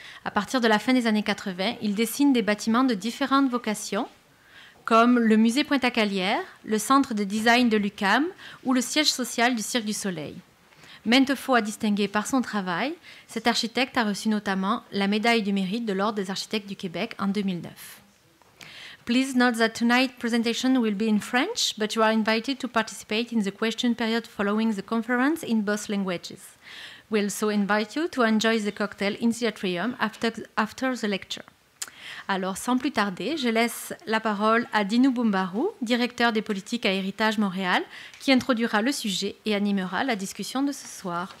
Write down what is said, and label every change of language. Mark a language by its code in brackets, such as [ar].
[fr] À partir de la fin des années 80, il dessine des bâtiments de différentes vocations, comme le musée Pointe-à-Calière, le centre de design de l'UQAM ou le siège social du Cirque du Soleil. Maintes fois distingué par son travail, cet architecte a reçu notamment la médaille du mérite de l'Ordre des architectes du Québec en 2009. [en] Please note that tonight's presentation will be in French, but you are invited to participate in the question period following the conference in both languages. We also invite you to enjoy the cocktail in the atrium after the lecture. [fr] Alors, sans plus tarder, je laisse la parole à Dinou Boumbarou, directeur des politiques à Héritage Montréal, qui introduira le sujet et animera la discussion de ce soir.